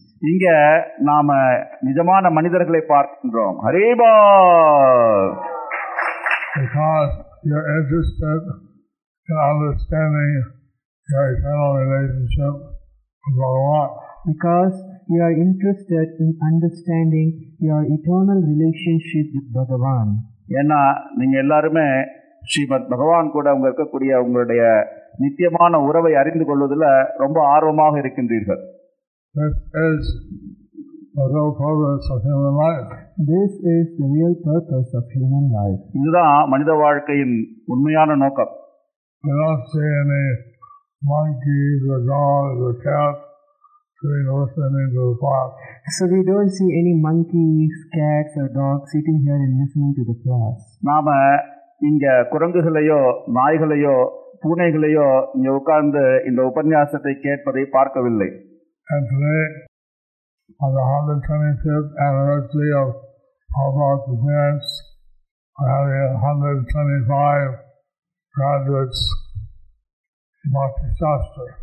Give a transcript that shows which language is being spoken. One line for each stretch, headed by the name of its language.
Tamil: இங்கே நாம் நிஜமான மனிதர்களை பார்க்கின்றோம். Haribol
English: because you're interested in understanding your eternal relationship with Bhagavan. Because you are interested in understanding your eternal relationship with Bhagavan.
Tamil: ஏன்னா நீங்கள் எல்லாருமே ஸ்ரீமத் பகவான் கூட அவங்க இருக்கக்கூடிய உங்களுடைய நித்தியமான உறவை அறிந்து கொள்வதில் ரொம்ப ஆர்வமாக இருக்கின்றீர்கள்.
English: This is the real purpose of human life. This is the real purpose of human life.
Tamil: இதுதான் மனித வாழ்க்கையின் உண்மையான நோக்கம்.
English: We don't see any monkeys or dogs or cats sitting listening to the class. So we don't see any monkeys, cats or dogs sitting here and listening to the class.
Tamil: நாம இங்கே குரங்குகளையோ நாய்களையோ பூனைகளையோ இங்கே உட்கார்ந்து இந்த உபன்யாசத்தை கேட்பதை பார்க்கவில்லை.
English: And today, on the 125th anniversary of Prabhupada's appearance, we're having 125 graduates in Bhakti Shastra.